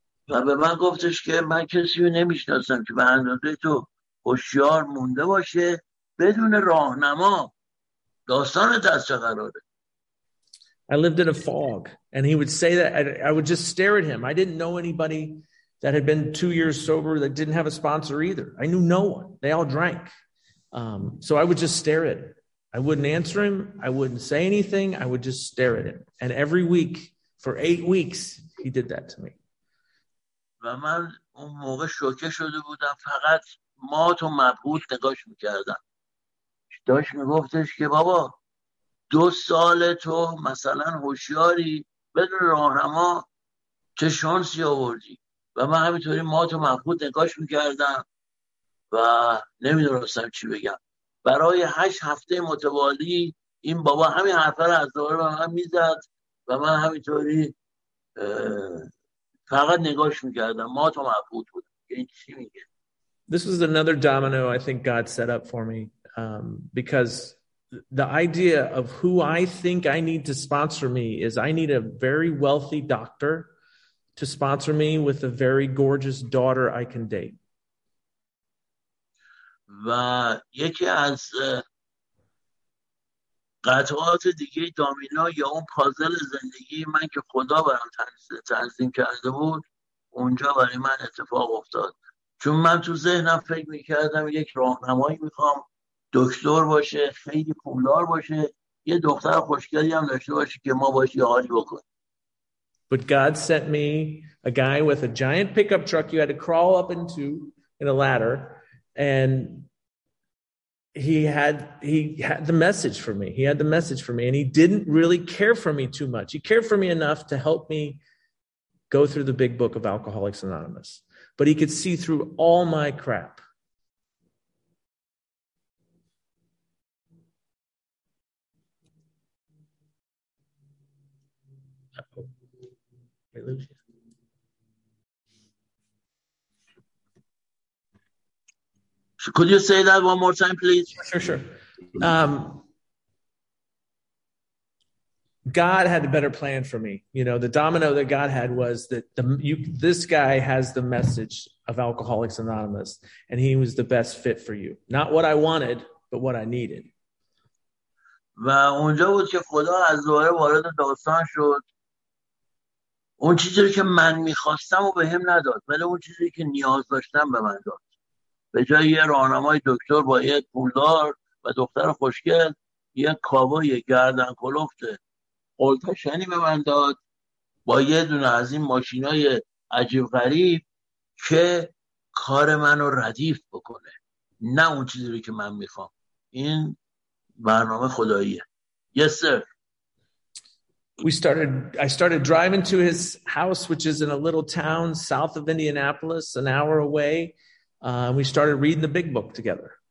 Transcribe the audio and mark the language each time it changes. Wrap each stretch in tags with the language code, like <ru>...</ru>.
<fa>و به من گفتش که من کسی رو نمیشناسم که به اندازه تو هوشیار مونده باشه بدون راهنما. داستانت از چه قراره؟</fa> <en>I lived in a fog and he would say that I would just stare at him. I didn't know anybody that had been 2 years sober that didn't have a sponsor either. I knew no one. They all drank. So I would just stare at him. I wouldn't answer him. I wouldn't say anything. I would just stare at him. And every week for 8 weeks he did that to me.</en> <fa>و من اون موقع شوکه شده بودم، فقط مات و مبهوت نگاش میکردم. داشت میگفتش که بابا 2 سال تو مثلا هوشیاری، بدون راهنما چه شانسی آوردی؟ و من همینطوری مات و مفقود نگاش میکردم و نمیدونستم چی بگم. برای 8 هفته متوالی این بابا همین حرفه رو از دوباره به من میزد و من همینطوری فقط نگاش میکردم، مات و مفقود بودم که این چی میگه.</fa> <en>This was another domino I think God set up for me, because the idea of who I think I need to sponsor me is I need a very wealthy doctor to sponsor me with a very gorgeous daughter I can date.</en> <fa>و یکی از قطعات دیگه دامینو یا اون پازل زندگی من که خدا برام تنظیم کرده بود اونجا برای من اتفاق افتاد، چون من تو ذهنم فکر میکردم یک راهنمایی میخوام، دکتر باشه، خیلی پولدار باشه، یه دختر خوشگلی هم داشته باشه که ما باش یه حالی بکنیم.</fa> <en>But God sent me a guy with a giant pickup truck you had to crawl up into in a ladder, and he had the message for me. He had the message for me, and he didn't really care for me too much. He cared for me enough to help me go through the big book of Alcoholics Anonymous. But he could see through all my crap. So could you say that one more time, please? Sure. God had a better plan for me. You know, the domino that God had was that this guy has the message of Alcoholics Anonymous, and he was the best fit for you. Not what I wanted, but what I needed.</en> <fa>و اونجا بود که خدا از دوباره وارد داستان شد. اون چیزی که من میخواستم و به هم نداد، ولی اون چیزی که نیاز داشتم به من داد. به جای یه راهنمای دکتر با یه پولدار و دختر خوشگل، یه کاوای گردن کلفت قلتشنی به من داد با یه دونه از این ماشینای عجیب غریب که کار منو ردیف بکنه، نه اون چیزی رو که من میخوام. این برنامه خداییه.</fa> <en>Yes sir. I started driving to his house, which is in a little town south of Indianapolis, an hour away. We started reading the big book together.</en>